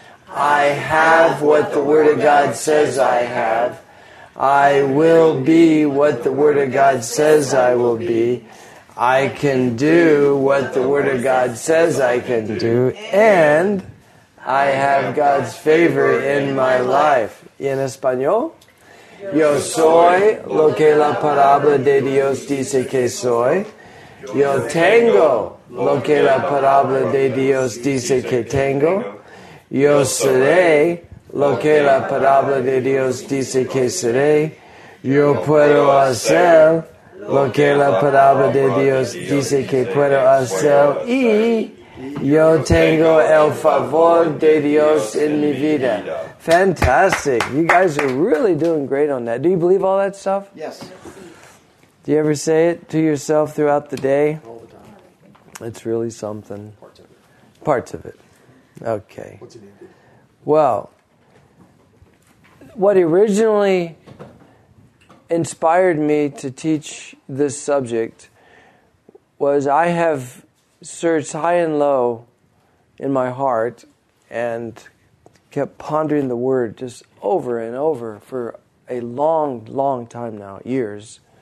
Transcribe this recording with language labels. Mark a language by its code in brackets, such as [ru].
[en] I have what the Word of God says I have. I will be what the Word of God says I will be. I can do what the Word of God says I can do. And I have God's favor in my life. [es] En español, yo soy lo que la palabra de Dios dice que soy. Yo tengo lo que la palabra de Dios dice que tengo. Yo seré lo que la palabra de Dios dice que seré. Yo puedo hacer lo que la palabra de Dios dice que puedo hacer. Y yo tengo el favor de Dios en mi vida. [en] Fantastic. You guys are really doing great on that. Do you believe all that stuff? Yes. Do you ever say it to yourself throughout the day? All the time. It's really something. Parts of it. Parts of it. Okay. What's it? Well, what originally inspired me to teach this subject was I have searched high and low in my heart and kept pondering the word just over and over for a long, long time now, years,